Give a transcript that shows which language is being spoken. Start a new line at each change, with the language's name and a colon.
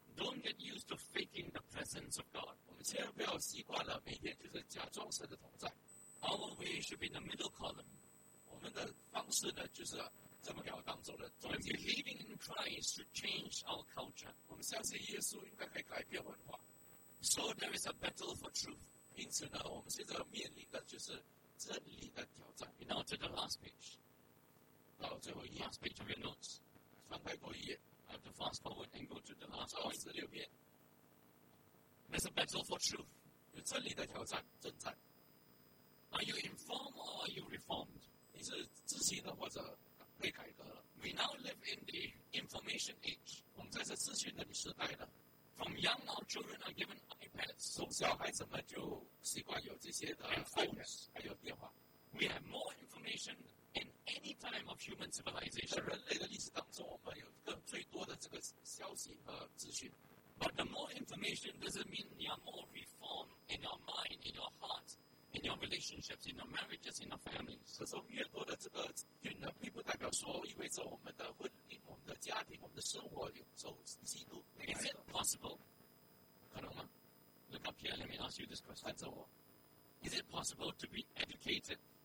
English: Don't get used to faking the presence of God.
Chinese: 我们千万不要习惯了每天就是假装神的同在。
English: Our way should be in the middle column.
Chinese: 我们的方式呢，就是这么表当中的中间。
English: Believing in Christ should change our culture.
Chinese: 我们相信耶稣应该可以改变文化。
English: So there is a battle for truth.
Chinese: 因此呢，我们现在面临的就是真理的挑战。
English: And now to the last page.
Chinese: 到最后一页。
English: Last page of your notes.
Chinese: 翻开过一页。
English: I have to fast forward and go to the last point.
Chinese: 46遍。
English: There's a battle for truth.
Chinese: 有真理的挑战，征战。
English: Are you informed or are you reformed?
Chinese: 你是自信的或者被改革了。
English: We now live in the information age.
Chinese: 我们在这资讯的时代呢。
English: From young, our children are given iPads.
Chinese: 从小孩子们就习惯有这些的
English: iPads,
Chinese: 还有电话。
English: We have more information in any time of human civilization.
Chinese: 人类的历史当中，我们有更最多的这个消息和资讯。
English: But the more information doesn't mean you are more reformed in your mind, in your heart, in your relationships, in your marriages, in your families.
Chinese: 可是我们越多的这个资讯呢，并不代表说意味着我们的婚姻、我们的家庭、我们的生活有受基督。
English: Is it possible?
Chinese: 可能吗？
English: Look up here, let me ask you this question. Is it possible to be educated?